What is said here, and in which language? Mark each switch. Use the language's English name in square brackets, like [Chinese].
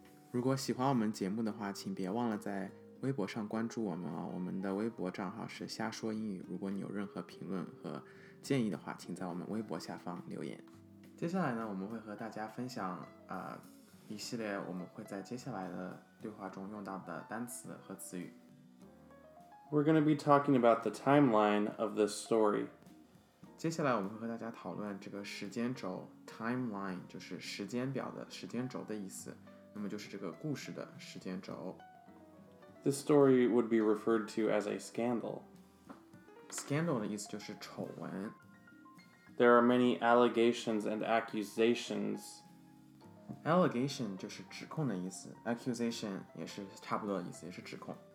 [Chinese] 如果喜欢我们节目的话，请别忘了在微博上关注我们哦。我们的微博账号是瞎说英语，如果你有任何评论和建议的话，请在我们微博下方留言。接下来呢，我们会和大家分享一系列我们会在接下来的对话中用到的单词和词语。 [English] We're going to be talking about the timeline of this story. [Chinese] 接下来我们会和大家讨论这个时间轴 timeline, 就是时间表的时间轴的意思，那么就是这个故事的时间轴。 [English] This story would be referred to as a scandal. [Chinese] Scandal 的意思就是丑闻。 [English] There are many allegations and accusations. [Chinese] Allegation 就是指控的意思， accusation 也是差不多的意思，也是指控。